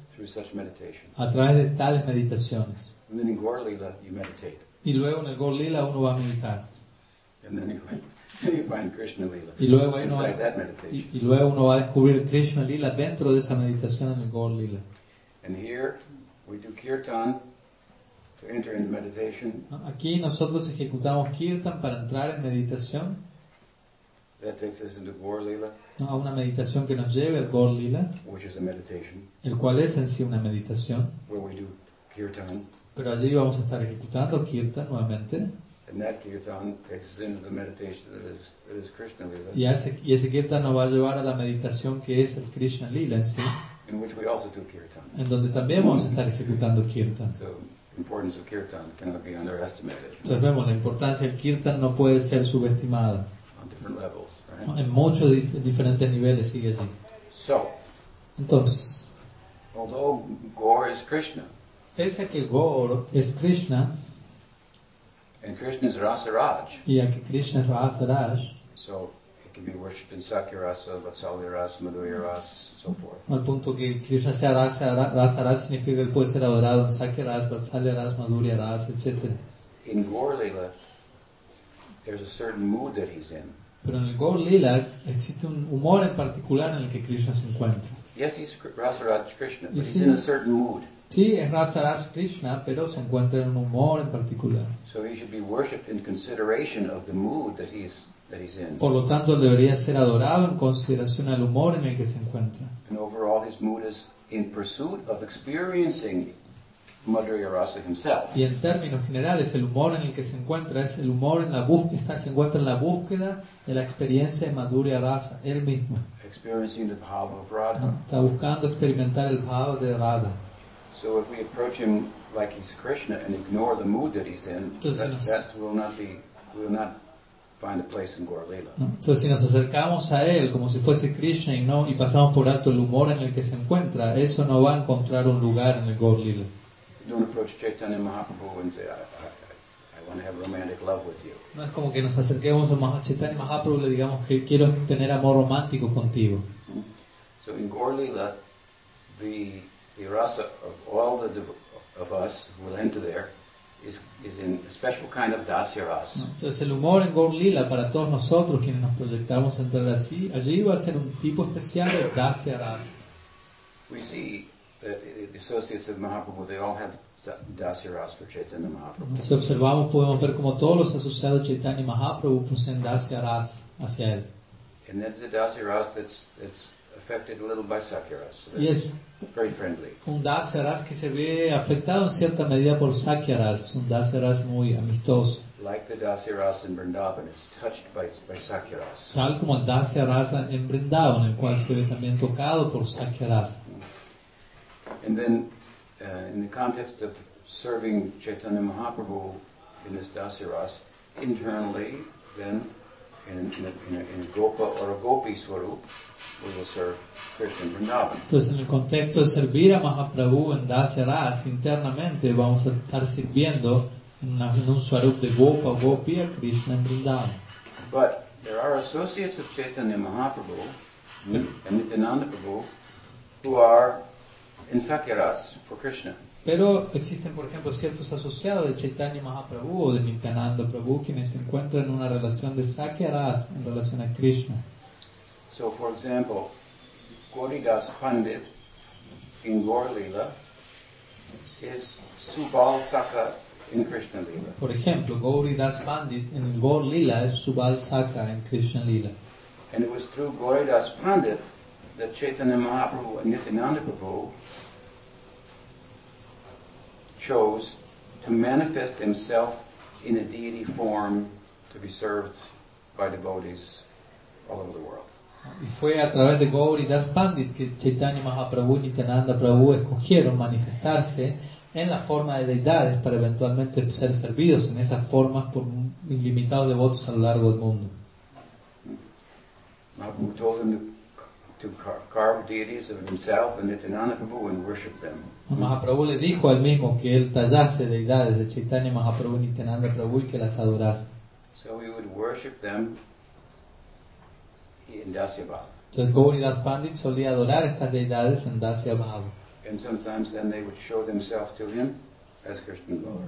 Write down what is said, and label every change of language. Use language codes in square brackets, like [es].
[en] through such meditation. [es] A través de tales meditaciones. [en] And then in Gaur Lila, you meditate. [es] Y luego en el Gaur Lila uno va a meditar. [en] And then you find Krishna Lila. [es] Y luego ahí [en] inside [es] uno, [en] that meditation. [es] Y luego uno va a descubrir Krishna Lila dentro de esa meditación en el Gaur Lila. [en] And here we do kirtan to enter into meditation. [es] Aquí nosotros ejecutamos kirtan para entrar en meditación. [en] That takes us into Gaur Lila. [es] No, a una meditación que nos lleve al Gaur Lila. [en] Which is a meditation. [es] El cual es en sí una meditación. [en] Where we do kirtan. [es] Pero allí vamos a estar ejecutando kirtan nuevamente. [en] And that kirtan takes us into the meditation that is Krishna Lila. [es] Y ese kirtan nos va a llevar a la meditación que es el Krishna Lila en sí. [en] In which we also do kirtan. [es] En donde también vamos a estar ejecutando kirtan. [en] So, importance of kirtan cannot be underestimated. [es] Entonces vemos, la importancia del kirtan no puede ser subestimada. [en] On different levels, right? [es] En muchos diferentes niveles sigue así. [en] So, [es] entonces, [en] although Gaur is Krishna, [es] pese a que Gaur es Krishna, [en] and Krishna is Rasa Raj, [es] y a que Krishna es Rasa Raj, [en] so it can be worshipped in Sakya Rasa, Vatsalya Rasa, Madhurya Rasa, so forth. [es] Al punto que Krishna sea Rasa Raj significa que él puede ser adorado en Sakya Rasa, Vatsalya Rasa, Madhurya Rasa, etc. [en] In Gaur Lila, there's a certain mood that he's in. [es] Pero en el Gaur Lila existe un humor en particular en el que Krishna se encuentra. [en] Yes, he's Rasa Raj Krishna, but he's in a certain mood. [es] Sí, es Rasa Raj Krishna, pero se encuentra en un humor en particular. [en] So he should be worshipped in consideration of the mood that he's in. [es] Por lo tanto, debería ser adorado en consideración al humor en el que se encuentra. [en] And overall, his mood is in pursuit of experiencing Madhurya Rasa himself. [es] Y en términos generales, el humor en el que se encuentra es el humor en la búsqueda, se encuentra en la búsqueda de la experiencia de Madhurya Rasa, él mismo. [en] Experiencing the bhava of Radha. [es] Está buscando experimentar el bhava de Radha. [en] So if we approach him like he's Krishna and ignore the mood that he's in, that will not find a place in Gaur Lila. [es] Entonces, si nos acercamos a él como si fuese Krishna y no y pasamos por alto el humor en el que se encuentra, eso no va a encontrar un lugar en el Gaur Lila. [en] Don't approach Chaitanya Mahaprabhu and say, I want to have romantic love with you. [es] No es como que nos acerquemos a Chaitanya Mahaprabhu y le digamos que quiero tener amor romántico contigo. [en] So in Gaur Lila, the rasa of all the of us who will enter there is in a special kind of dasya rasa. [es] Entonces el humor en Gaur Lila para todos nosotros quienes nos proyectamos entrar así allí va a ser un tipo especial de dasya rasa. [en] We see that the associates of Mahaprabhu, they all have dasya rasa for Chaitanya Mahaprabhu. [es] Si observamos podemos ver como todos los asociados de Chaitanya Mahaprabhu poseen dasya rasa hacia él. [en] And that's the dasya rasa that's affected a little by Sakya Rasa. Yes. Very friendly. [es] Un Dasya Rasa que se ve afectado en cierta medida por Sakya Rasa. Es un Dasya Rasa muy amistoso. [en] Like the Dasya Rasa in Vrindavan, it's touched by Sakya Rasa. [es] Tal como el Dasya Rasa en Vrindavan, el cual se ve también tocado por Sakya Rasa. [en] And then in the context of serving Chaitanya Mahaprabhu in his dasiras, internally, then in a gopa or a gopi swarup, we will serve Krishna in Vrindavan. [es] Entonces, en el contexto de servir a Mahaprabhu en dasiras, internamente, vamos a estar sirviendo en un swarup de gopa o gopi a Krishna en Vrindavan. [en] But there are associates of Chaitanya Mahaprabhu and Nityananda Prabhu who are in sakyaras for Krishna. [es] Pero existen, por ejemplo, ciertos asociados de Chaitanya Mahaprabhu o de Nityananda Prabhu quienes se encuentran en una relación de sakyaras en relación a Krishna. [en] So, for example, Goridas Pandit in Gaurlila is Subal Sakha in Krishna Lila. [es] Por ejemplo, Goridas Pandit en Gaurlila es Subal Sakha en Krishna Lila. [en] And it was through Goridas Pandit that Chaitanya Mahaprabhu and Nityananda Prabhu chose to manifest himself in a deity form to be served by devotees all over the world. [es] Y fue a través de Goridas Pandit que Chaitanya Mahaprabhu y Nityananda Prabhu escogieron manifestarse en la forma de deidades para eventualmente ser servidos en esas formas por ilimitados devotos a lo largo del mundo. [en] Mahaprabhu told them to carve deities of himself and Nityananda Prabhu and worship them. [es] Mahaprabhu le dijo al mismo que él tallase deidades de Chaitanya Mahaprabhu y Nityananda Prabhu y que las adorase. [en] So he would worship them in Dasya Bhava. [es] Entonces Gauridas Pandit solía adorar estas deidades en Dasya Bhava. [en] And sometimes then they would show themselves to him as Krishna Bhagavan.